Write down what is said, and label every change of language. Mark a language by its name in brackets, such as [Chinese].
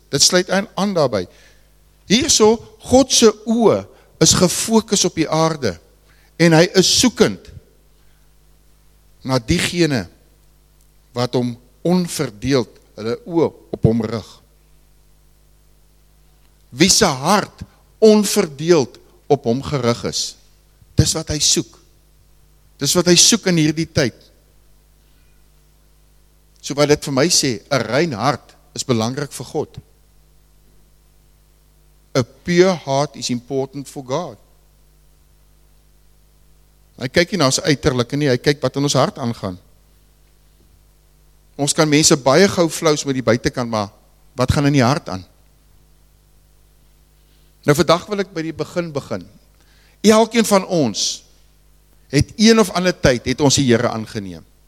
[Afrikaans] Dit sluit aan daarby. Hierso, God se oë is gefokus op die aarde en hy is soekend na diegene wat hom onverdeeld hulle oë op hom rig. Wie se hart onverdeeld op hom gerig is. Dis wat hy soek. Dis wat hy soek in hierdie tyd. So wat dit vir my sê, 'n rein hart is belangrik vir God. [English] A pure heart is important for God. [Afrikaans] Hy kyk nie na ons uiterlike nie, hy kyk wat in ons hart aangaan. Ons kan mense baie gou flous met die buitekant, maar wat gaan in die hart aan? Nou vandag wil ek by die begin. Elkeen van ons het een of ander tyd het ons die Here aangeneem.